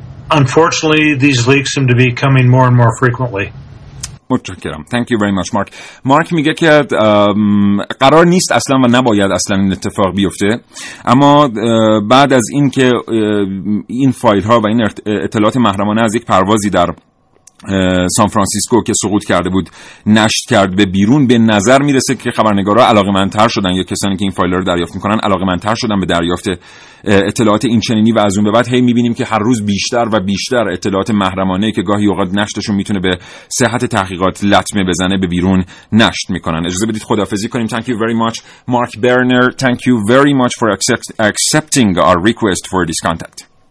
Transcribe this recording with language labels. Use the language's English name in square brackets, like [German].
[English] Unfortunately, these leaks seem to be coming more and more frequently. [Persian] متشکرم. [English] Thank you very much, Mark. [Persian] Mark میگه که قرار نیست اصلا و نباید اصلا این اتفاق بیفته، اما بعد از این که این فایل ها و این اطلاعات محرمانه از یک پروازی در سان فرانسیسکو که سقوط کرده بود نشت کرد به بیرون، به نظر میرسه که خبرنگارا علاقمندتر شدن یا کسانی که این فایل رو دریافت میکنن علاقمندتر شدن به دریافت اطلاعات اینچنینی، و از اون به بعد هی میبینیم که هر روز بیشتر و بیشتر اطلاعات محرمانه که گاهی اوقات نشتشون میتونه به صحت تحقیقات لطمه بزنه به بیرون نشت میکنن. اجازه بدید خدافظی کنیم. [English] Thank you very much, Mark Berner. Thank you very much for accepting our request for this contact.